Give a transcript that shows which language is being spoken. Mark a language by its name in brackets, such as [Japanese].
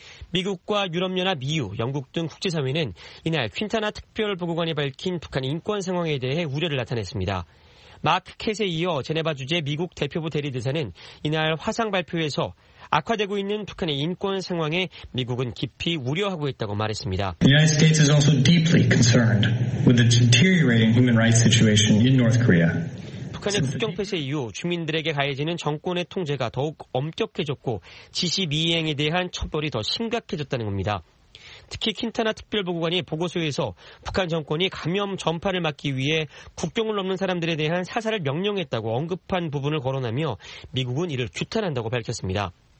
[Korean] 미국과 유럽연합, EU, 영국 등 국제사회는 이날 퀸타나 특별보고관이 밝힌 북한 인권 상황에 대해 우려를 나타냈습니다. 마크 켓에 이어 제네바 주재 미국 대표부 대리대사는 이날 화상 발표에서 악화되고 있는 북한의 인권 상황에 미국은 깊이 우려하고 있다고 말했습니다. [English] The United States is also deeply concerned with the deteriorating human rights situation in North Korea. [Korean] 북한의 국경 폐쇄 이후 주민들에게 가해지는 정권의 통제가 더욱 엄격해졌고 지시 미행에 대한 처벌이 더 심각해졌다는 겁니다. 특히 퀸타나 특별보고관이 보고서에서 북한 정권이 감염 전파를 막기 위해 국경을 넘는 사람들에 대한 사살을 명령했다고 언급한 부분을 거론하며 미국은 이를 규탄한다고 밝혔습니다.